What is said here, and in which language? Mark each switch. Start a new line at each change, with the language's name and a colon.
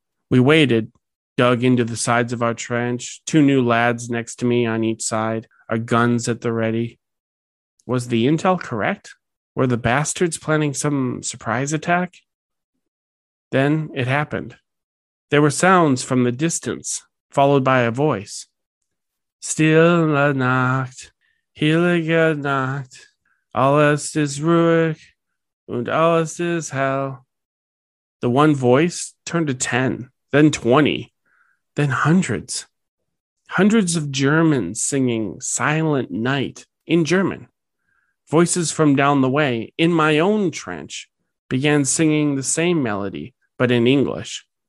English: We waited, dug into the sides of our trench, two new lads next to me on each side, our guns at the ready. Was the intel correct? Were the bastards planning some surprise attack? Then it happened. There were sounds from the distance, followed by a voice.
German: Stille Nacht, heilige Nacht, alles ist ruhig und alles ist hell.
English: The one voice turned to 10, then 20, then hundreds. Hundreds of Germans singing Silent Night in German. Voices from down the way, in my own trench, began singing the same melody, but in English.